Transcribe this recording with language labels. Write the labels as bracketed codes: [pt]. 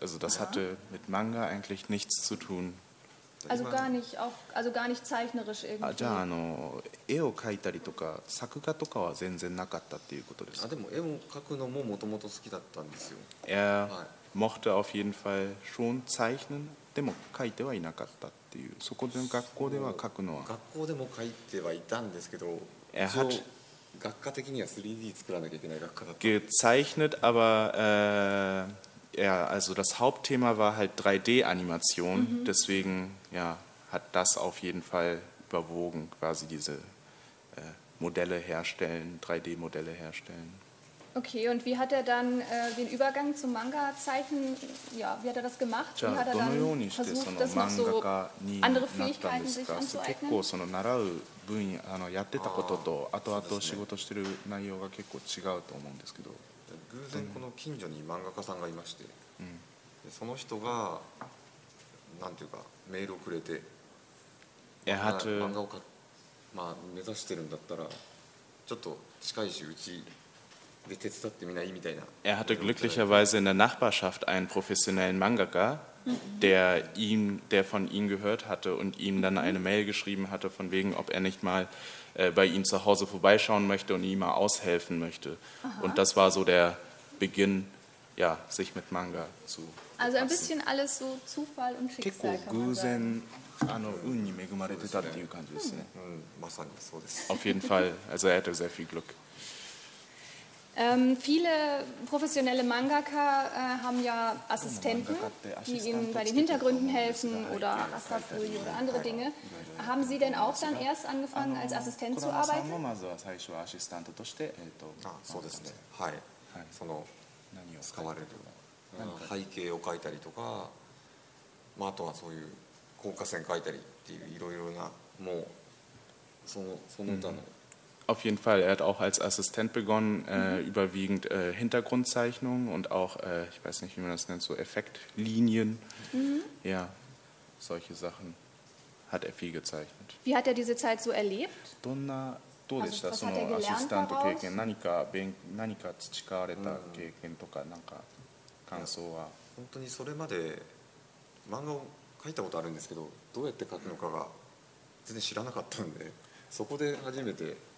[de] Also das hatte mit Manga eigentlich nichts zu tun. Also gar nicht zeichnerisch irgendwie. [ja] Ah, ja, 絵を描いたりとか作画とかは全然なかったっていうことですか。あ、でも絵を描くのももともと好きだったんですよ。 [de] Er mochte auf jeden Fall schon zeichnen, [ja] でも描いてはいなかったっていう。そこで学校では描くのは。学校でも描いてはいたんですけど。 [de] Er hat [ja] 学科的には 3D 作らなきゃいけない学科だった。 [de] Gezeichnet, aber ja, also das Hauptthema war halt 3D-Animation, deswegen ja, hat das auf jeden Fall überwogen, quasi diese Modelle herstellen, 3D-Modelle herstellen. Okay, und wie hat er dann den Übergang zum Manga-Zeichen, ja, wie hat er das gemacht? Ja, wie hat er dann versucht, das noch Mangaka so andere Fähigkeiten sich anzueignen? Ja, so eine Narau. [ja] 分野あのやってたことと後々仕事してる内容が結構違うと思うんですけど偶然この近所に漫画家さんがいまして、うん、でその人がなんていうかメールをくれて漫画を描く、まあ、目指してるんだったらちょっと近いしうちで手伝ってみないみたいな [de] Er hatte glücklicherweise in der Nachbarschaft einen professionellen Mangaka der von ihm gehört hatte und ihm dann eine Mail geschrieben hatte, von wegen, ob er nicht mal bei ihm zu Hause vorbeischauen möchte und ihm mal aushelfen möchte. Aha. Und das war so der Beginn, ja, sich mit Manga zu befassen. Also ein bisschen alles so Zufall und Schicksal, kann man sagen. [ja] 結構偶然、運に恵まれてたっていう感じですね。まさにそうです。 [de] Auf jeden Fall, also er hatte sehr viel Glück. Viele professionelle Mangaka haben ja Assistenten, die ihnen bei den Hintergründen helfen oder Rastafolie oder andere Dinge. Haben Sie denn auch dann erst angefangen, als Assistent zu arbeiten? [ja] Kurama-san もまずは最初はアシスタントとして、 Ah, そうですね。はい。はい。その、何を使われる、背景を描いたりとか、まああとはそういう効果線描いたりっていういろいろな、もうその他の。 [de] Auf jeden Fall, er hat auch als Assistent begonnen, überwiegend Hintergrundzeichnungen und auch, ich weiß nicht, wie man das nennt, so Effektlinien, ja, solche Sachen hat er viel gezeichnet. Wie hat er diese Zeit so erlebt? Was hat er gelernt daraus? [ja] 何か培われた経験とか、なんか感想は。本当にそれまで漫画を描いたことあるんですけど、どうやって描くのかが全然知らなかったんで、そこで初めて。